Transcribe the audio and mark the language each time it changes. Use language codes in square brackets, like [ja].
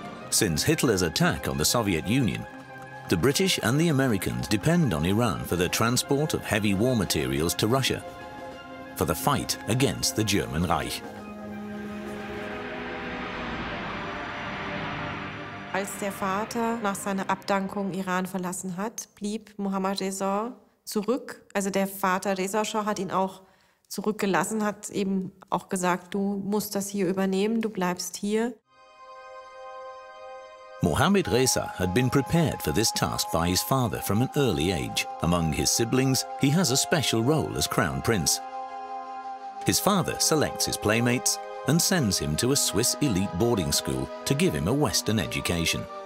[en] Since Hitler's attack on the Soviet Union, the British and the Americans depend on Iran for the transport of heavy war materials to Russia, for the fight against the German Reich. [de] Als der Vater nach seiner Abdankung Iran verlassen hat, blieb Mohammad Reza zurück, also der Vater Reza Shah hat ihn auch zurückgelassen, hat eben auch gesagt, du musst das hier übernehmen, du bleibst hier. [en] Mohammad Reza had been prepared for this task by his father from an early age. Among his siblings, he has a special role as crown prince. His father selects his playmates and sends him to a Swiss elite boarding school to give him a Western education.